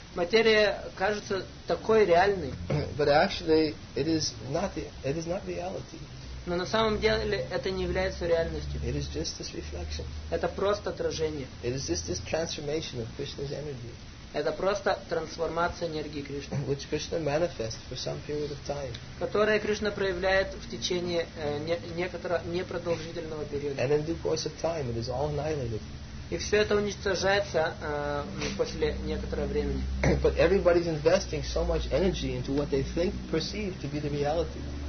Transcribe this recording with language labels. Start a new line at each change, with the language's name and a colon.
Russian: Материя кажется такой реальной.
English: But actually, it is not reality.
Russian: Но на самом деле это не является реальностью.
English: It is just this reflection.
Russian: Это просто отражение.
English: It is just this transformation of Krishna's energy.
Russian: Это просто трансформация энергии Кришны,
English: which Krishna manifests for some period of time.
Russian: Которая Кришна проявляет в течение некоторого непродолжительного периода.
English: And in due course of time, it is all annihilated.
Russian: И все это уничтожается после некоторого времени.
English: But everybody's investing so much energy into what they think, perceive to be the reality.